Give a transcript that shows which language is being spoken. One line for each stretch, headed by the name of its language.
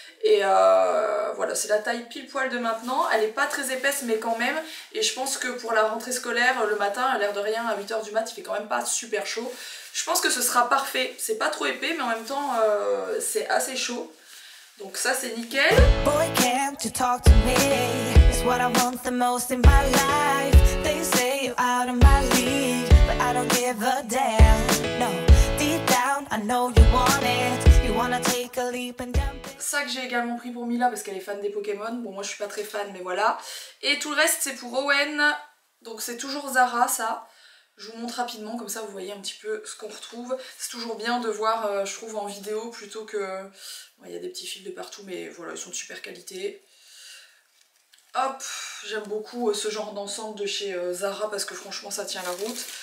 French: Et voilà, c'est la taille pile poil de maintenant. Elle est pas très épaisse, mais quand même. Et je pense que pour la rentrée scolaire, le matin, à l'air de rien, à 8h du mat, il fait quand même pas super chaud. Je pense que ce sera parfait. C'est pas trop épais, mais en même temps, c'est assez chaud. Donc ça, c'est nickel.
English: Boy, can't you talk to me? It's what I want the most in my life. They say you're out of my league, but I don't give a damn. No, deep down, I know you want it. You wanna take a leap and jump.
French: Ça que j'ai également pris pour Mila parce qu'elle est fan des Pokémon. Bon, moi je suis pas très fan, mais voilà. Et tout le reste c'est pour Owen. Donc c'est toujours Zara, ça. Je vous montre rapidement, comme ça vous voyez un petit peu ce qu'on retrouve. C'est toujours bien de voir, je trouve, en vidéo plutôt que... Bon, y a des petits fils de partout, mais voilà, ils sont de super qualité. Hop, j'aime beaucoup ce genre d'ensemble de chez Zara parce que franchement ça tient la route.